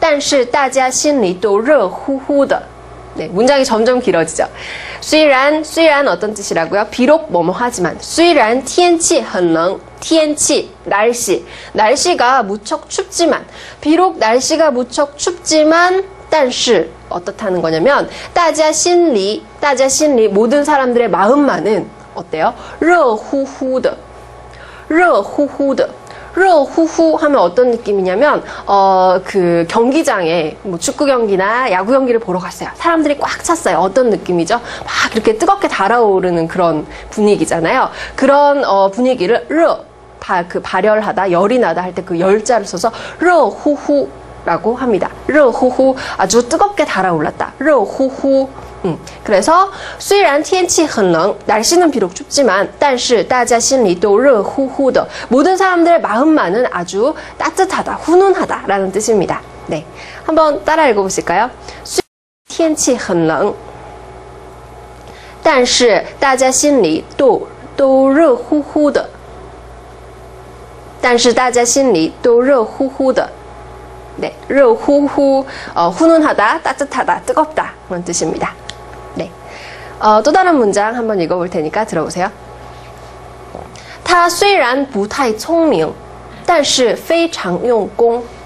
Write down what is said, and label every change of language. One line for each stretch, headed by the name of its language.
Chinese: 虽然天气很冷，但是大家心里都热乎乎的.
Korean: 네, 문장이 점점 길어지죠. 虽然 어떤 뜻이라고요? 비록 뭐뭐 하지만,
Chinese: 虽然天气很冷.
Korean: 天气, 날씨, 날씨가 무척 춥지만, 비록 날씨가 무척 춥지만, 但是, 어떻다는 거냐면,
Chinese: 大家心里,
Korean: 모든 사람들의 마음만은, 어때요? 热乎乎的, 热乎乎的, 热乎乎 하면 어떤 느낌이냐면, 그 경기장에, 뭐 축구 경기나 야구 경기를 보러 갔어요. 사람들이 꽉 찼어요. 어떤 느낌이죠? 막 이렇게 뜨겁게 달아오르는 그런 분위기잖아요. 그런 분위기를, 热, 그 발열하다, 열이 나다 할 때 그 열자를 써서 热乎乎라고 합니다. 热乎乎, 아주 뜨겁게 달아올랐다. 热乎乎. 그래서
Chinese: 虽然天气很冷,
Korean: 날씨는 비록 춥지만,
Chinese: 但是大家心里都热乎乎的.
Korean: 모든 사람들의 마음만은 아주 따뜻하다, 훈훈하다 라는 뜻입니다. 네, 한번 따라 읽어보실까요?
Chinese: 虽然天气很冷,但是大家心里都热乎乎的. 但是大家心里都热乎乎的.
Korean: 네, 热乎乎, 훈훈하다, 따뜻하다, 뜨겁다 그런 뜻입니다. 네, 또 다른 문장 한번 읽어볼 테니까 들어보세요.
Chinese: 他虽然不太聪明,但是非常用功.